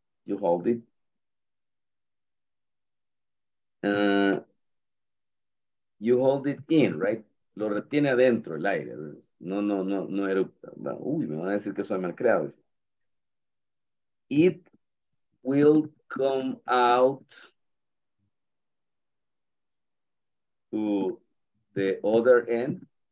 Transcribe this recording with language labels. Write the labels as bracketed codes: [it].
[en] You hold it, you hold it in, right? [es] Lo retiene adentro el aire, ¿sí? No eructa. Uy, me van a decir que soy mal creado, ¿sí? [en] It will come out to the other end.